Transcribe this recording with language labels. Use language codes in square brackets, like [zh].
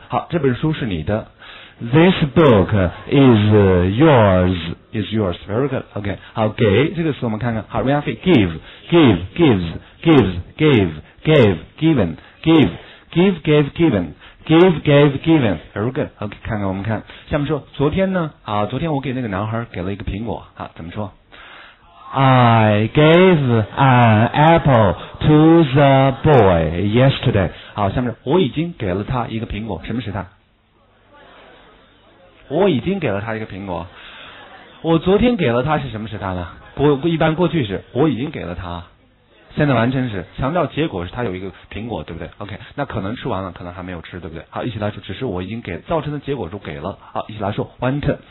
[zh] 好，这本书是你的。 [en] This book is yours. Is yours. Very good. Okay. [zh] 好，给这个词我们看看。 [en] 好 ，Rianfi, give, give, gives, gives, gave, gave, given, give. Give, gave, given. Give, gave, given. Very good. OK, [zh] 看看我们看。下面说，昨天呢，啊，昨天我给那个男孩给了一个苹果。啊，怎么说 ？ [en] I gave an apple to the boy yesterday. [zh] 好，下面说，我已经给了他一个苹果。什么时态？我已经给了他一个苹果。我昨天给了他是什么时态呢？一般过去式，我已经给了他。现在完成时强调结果是他有一个苹果对不对 OK 那可能吃完了可能还没有吃对不对好一起来说只是我已经给造成的结果就给了好一起来说 want